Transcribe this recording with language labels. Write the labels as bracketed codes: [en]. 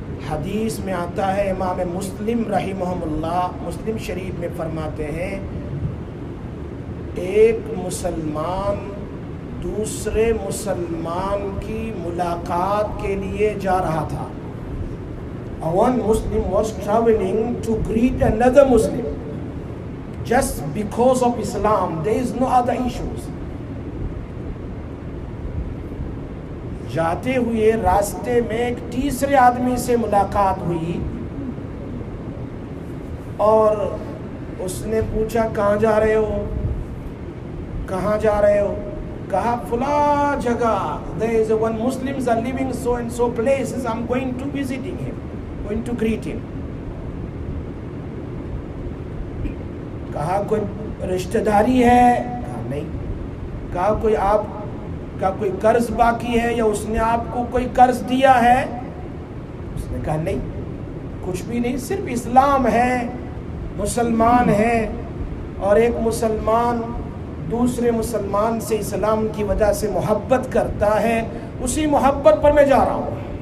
[ur] حدیث میں آتا ہے، امام مسلم رحمہ اللہ مسلم شریف میں فرماتے ہیں، ایک مسلمان دوسرے مسلمان کی ملاقات کے لیے جا رہا تھا. [en] One Muslim was traveling to greet another Muslim just because of Islam. There is no other issues. [ur] جاتے ہوئے راستے میں ایک تیسرے آدمی سے ملاقات ہوئی، اور اس نے پوچھا کہاں جا رہے ہو، کہاں جا رہے ہو؟ کہا فلاں جگہ. [en] There is one Muslim is living so and so places. I'm going to visiting him. Going to greet him. [ur] کہا کوئی رشتہ داری ہے؟ کہا نہیں. کہا کوئی آپ کا کوئی قرض باقی ہے یا اس نے آپ کو کوئی قرض دیا ہے؟ اس نے کہا نہیں، کچھ بھی نہیں، صرف اسلام ہے، مسلمان ہے، اور ایک مسلمان دوسرے مسلمان سے اسلام کی وجہ سے محبت کرتا ہے، اسی محبت پر میں جا رہا ہوں.